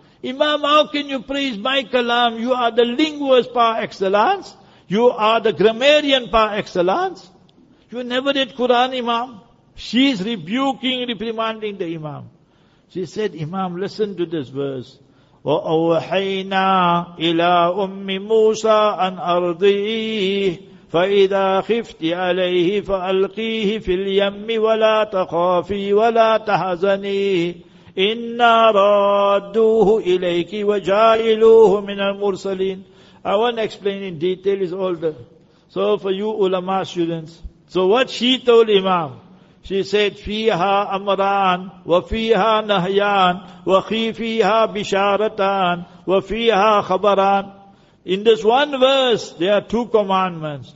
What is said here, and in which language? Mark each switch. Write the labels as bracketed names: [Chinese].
[English] Imam, how can you praise my kalam? You are the linguist par excellence. You are the grammarian par excellence. You never read Quran, Imam. She's rebuking, reprimanding the Imam. She said, Imam, listen to this verse. [Arabic] وَأَوْحَيْنَا إِلَىٰ أُمِّ مُوسَىٰ أَنْ أَرْضِيهِ فَإِذَا خِفْتِ عَلَيْهِ فَأَلْقِيهِ فِي الْيَمِّ وَلَا تَخَافِي وَلَا تَحَزَنِي إِنَّا رَادُّوهُ إِلَيْكِ وَجَائِلُوهُ مِنَ الْمُرْسَلِينَ [English] I won't explain in detail, it's older. So for you ulama students. So what she told Imam? She said, [Arabic] فِيهَا أَمْرَانَ وَفِيهَا نَهْيَانَ وَخِيفِيهَا بِشَارَتَانَ وَفِيهَا خَبَرَانَ [English] In this one verse, there are two commandments.